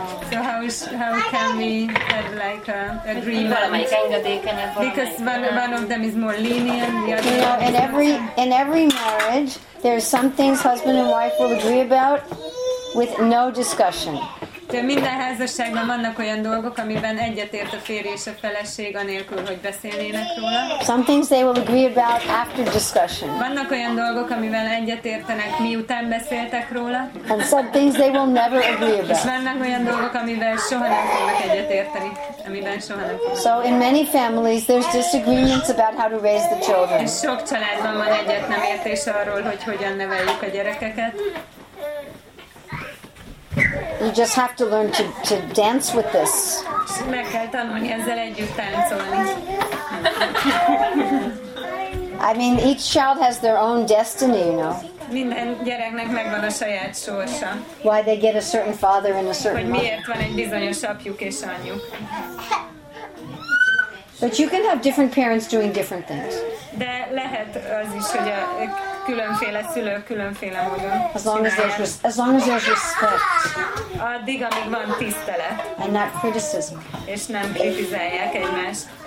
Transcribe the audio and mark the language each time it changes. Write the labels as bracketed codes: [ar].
[en] So how can we have like an agreement? Because one of them is more lenient. The other, you know, in every marriage, there are some things husband and wife will agree about with no discussion. [hu] De minden házasságban vannak olyan dolgok, amiben egyetért a férj és a feleség anélkül, hogy beszélnének róla. [en] Some things they will agree about after discussion. [hu] Vannak olyan dolgok, amivel egyetértenek, miután beszéltek róla. [en] And some things they will never agree about. [hu] És vannak olyan dolgok, amivel soha nem fognak egyetérteni, amiben soha nem fognak. [en] So in many families there's disagreements about how to raise the children. [hu] És sok családban van egyet nem értés arról, hogy hogyan neveljük a gyerekeket. [en] You just have to learn to dance with this. [hu] Meg kell tanulni ezzel együtt táncolni. [en] I mean, each child has their own destiny, you know. [hu] Minden gyereknek megvan a saját sorsa. [en] Why they get a certain father and a certain mother. [hu] Hogy miért van egy bizonyos apjuk és anyjuk. [en] But you can have different parents doing different things. [hu] De lehet az is, hogy a különféle szülő különféle módon. [en] As long as there's respect. [hu] Addig, amíg van tisztelet. [en] And not criticism. [hu] És nem kritizálják egymást.